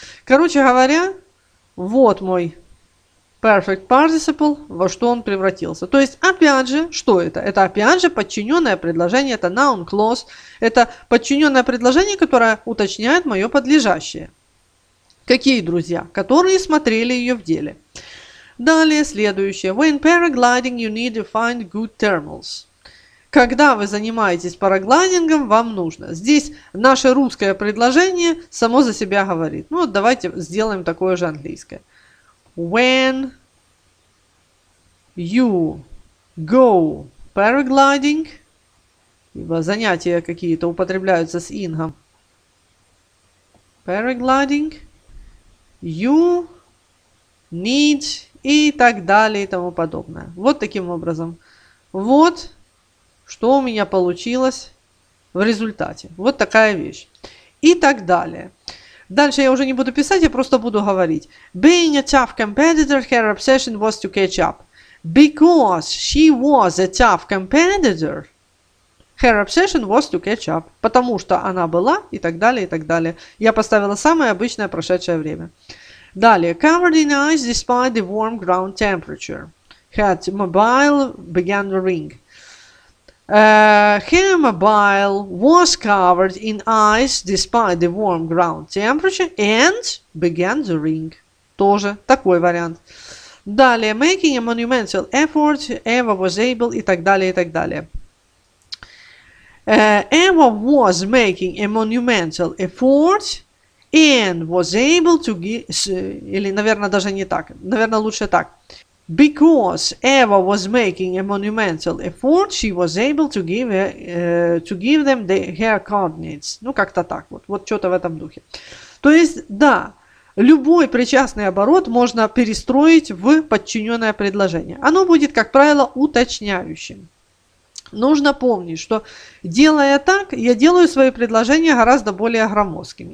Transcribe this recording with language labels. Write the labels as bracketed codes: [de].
[ru] Короче говоря, вот мой perfect participle, во что он превратился. То есть, опять же, что это? Это опять же подчиненное предложение, это noun clause. Это подчиненное предложение, которое уточняет мое подлежащее. Какие друзья? Которые смотрели ее в деле. Далее следующее. [en] When paragliding, you need to find good thermals. [ru] Когда вы занимаетесь параглайдингом, вам нужно. Здесь наше русское предложение само за себя говорит. Ну вот давайте сделаем такое же английское. [en] When you go paragliding, [ru] ибо занятия какие-то употребляются с ингом. [en] Paragliding, you need... [ru] И так далее и тому подобное. Вот таким образом. Вот что у меня получилось в результате. Вот такая вещь. И так далее. Дальше я уже не буду писать, я просто буду говорить. [en] Being a tough competitor, her obsession was to catch up. Because she was a tough competitor, her obsession was to catch up. [ru] Потому что она была и так далее, и так далее. Я поставила самое обычное прошедшее время. [en] Далее, covered in ice despite the warm ground temperature. Had mobile began to ring. Her mobile was covered in ice despite the warm ground temperature and began to ring. [ru] Тоже такой вариант. Далее, [en] making a monumental effort, Eva was able, [ru] и так далее, и так далее. [en] Eva was making a monumental effort. And was able to give... [ru] Или, наверное, даже не так. Наверное, лучше так. [en] Because Eva was making a monumental effort, she was able to give, to give them the her coordinates. [ru] Ну, как-то так вот. Вот что-то в этом духе. То есть, да, любой причастный оборот можно перестроить в подчиненное предложение. Оно будет, как правило, уточняющим. Нужно помнить, что делая так, я делаю свои предложения гораздо более громоздкими.